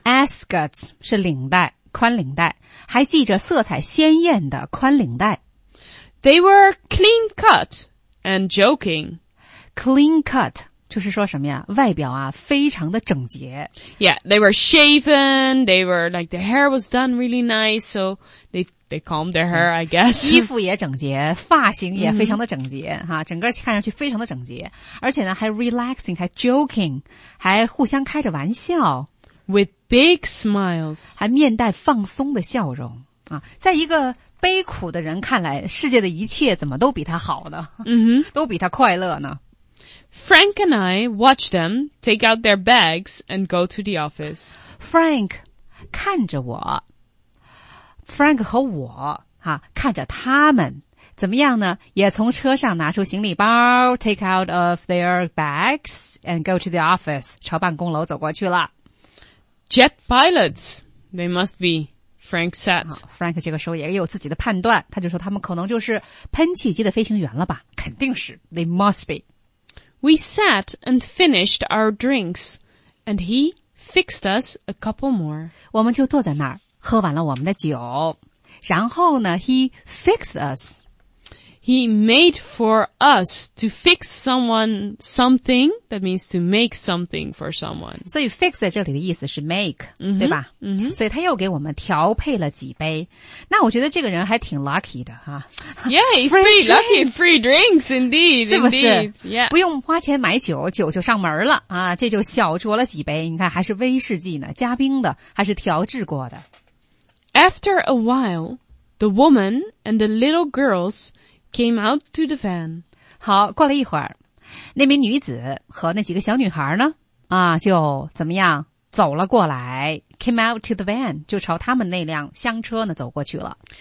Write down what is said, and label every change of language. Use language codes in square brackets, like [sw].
[zh] Ascots 是领带。宽领带，还系着色彩鲜艳的宽领带。 [en] They were clean cut and joking. [zh] Clean cut 就是说什么呀？外表啊，非常的整洁。 [en] Yeah, they were shaven. They were like the hair was done really nice, so they they comb their hair, I guess. [zh] 衣服也整洁，发型也非常的整洁，哈，整个看上去非常的整洁。而且呢，还 relaxing, 还 joking, 还互相开着玩笑。 [en] With big smiles. [zh] 还面带放松的笑容。啊，在一个悲苦的人看来，世界的一切怎么都比他好呢？都比他快乐呢。 [en] Frank and I watch them take out their bags and go to the office. [zh] Frank 看着我。Frank 和我啊，看着他们怎么样呢？也从车上拿出行李包 ， [en] take out of their bags and go to the office， [zh] 朝办公楼走过去了。 [en] Jet pilots, they must be. Frank said.、啊、 [zh] Frank 这个时候也有自己的判断，他就说他们可能就是喷气机的飞行员了吧？肯定是 ， [en] they must be. We sat and finished our drinks, and he fixed us a couple more. [zh] 我们就坐在那儿。喝完了我们的酒，然后呢 ， [en] he fixed us. He made for us to fix someone something. That means to make something for someone. [zh] 所以 fix 在这里的意思是 make，、mm-hmm. 对吧？嗯、mm-hmm. ，所以他又给我们调配了几杯。那我觉得这个人还挺 lucky 的哈、 [en] 啊。Yeah, he's pretty lucky. Free drinks, indeed. [zh] 是不是？ [en] Yeah. [zh] 不用花钱买酒，酒就上门了啊！这就小酌了几杯。你看，还是威士忌呢，加冰的，还是调制过的。 [en] After a while, the woman and the little girls came out to the van. [zh] 好，过了一会儿，那名女子和那几个小女孩呢，啊，就怎么样，走了过来， [en] came out to the van, [zh] 就朝他们那辆厢车呢走过去了。